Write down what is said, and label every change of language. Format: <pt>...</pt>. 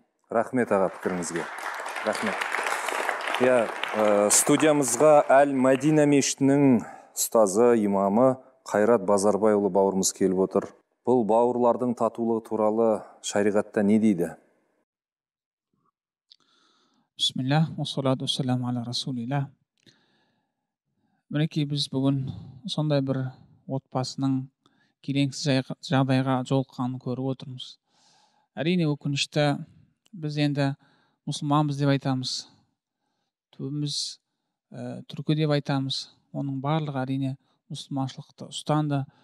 <kk>Рахмет аға пікіріңізге. Рахмет. Студиямызға Әл-Мәдина мешітінің ұстазы, имамы Қайрат Базарбайұлы бауырымыз келіп отыр. Бұл бауырлардың татулығы туралы шариғатта не дейді?</kk> <ar>Бисмилла, уссалату уссаламу аля расулилла.</ar> <kk>Мінекей біз бүгін сондай бір отбасының келеңсіз жағдайға жолыққанын көріп отырмыз. Әрине өкінішті, біз енді мұсылманбыз деп айтамыз. Түбіміз түркі деп айтамыз. Оның барлығы әрине мұсылманшылықты ұстанды.</kk>